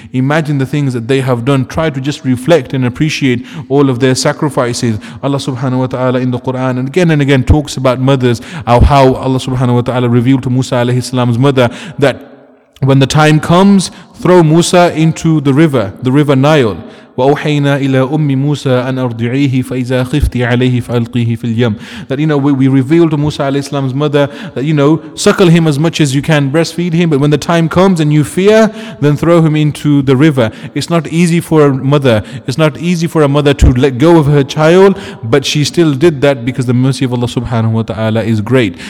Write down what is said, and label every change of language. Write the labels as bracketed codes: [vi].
[en] Imagine the things that they have done. Try to just reflect and appreciate all of their sacrifices. Allah subhanahu wa ta'ala in the Quran and again talks about mothers, of how Allah subhanahu wa ta'ala revealed to Musa alayhi salam's mother that when the time comes, throw Musa into the river Nile. [ar] وأوحينا إلى أم موسى أن أرضعيه فإذا خفتي عليه فألقيه في اليم. [en] That you know, we revealed to Musa alayhi salam's mother that you know, suckle him as much as you can, breastfeed him, but when the time comes and you fear, then throw him into the river. It's not easy for a mother. It's not easy for a mother to let go of her child, but she still did that because the mercy of Allah subhanahu wa ta'ala is great.